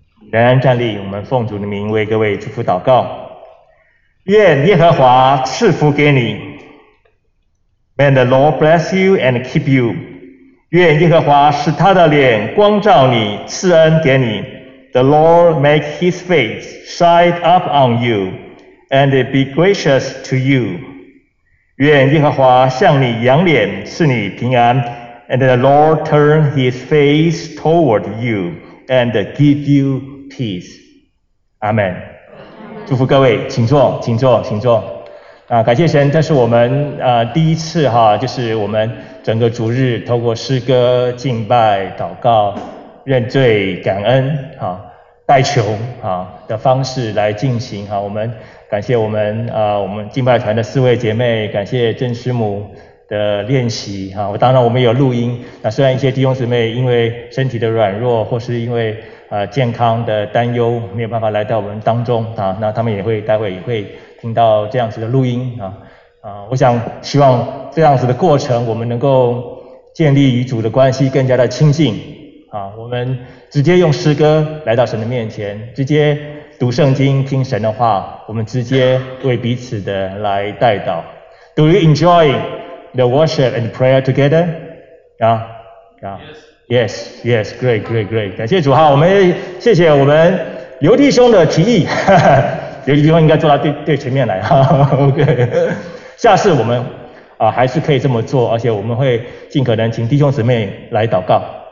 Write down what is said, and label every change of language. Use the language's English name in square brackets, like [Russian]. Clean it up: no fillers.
[Chinese] 仍然站立，我们奉主的名为各位祝福祷告。愿耶和华赐福给你。 [English] May the Lord bless you and keep you. [Chinese] 愿耶和华使他的脸光照你，赐恩给你。 [English] The Lord make his face shine up on you and be gracious to you. [Chinese] 愿耶和华向你扬脸，赐你平安。 [English] And the Lord turn his face toward you and give you peace. [Chinese] Amen. 祝福各位，请坐，请坐，请坐。啊，感谢神，这是我们第一次哈，就是我们整个主日透过诗歌、敬拜、祷告、认罪、感恩，好，代求的方式来进行。我们感谢我们我们敬拜团的四位姐妹，感谢郑师母的练习当然我们有录音，那虽然一些弟兄姊妹因为身体的软弱或是因为健康的担忧没有办法来到我们当中那他们也会待会也会听到这样子的录音我想希望这样子的过程我们能够建立与主的关系更加的亲近我们直接用诗歌来到神的面前，直接读圣经听神的话，我们直接为彼此的来代祷。 [English] Do you enjoy the worship and prayer together? Yeah? Yeah. Yes, yes, great, great, great. [Chinese] 感谢主哈，我们谢谢我们刘弟兄的提议，刘弟兄应该坐到 对前面来哈。 OK， 下次我们还是可以这么做，而且我们会尽可能请弟兄姊妹来祷告。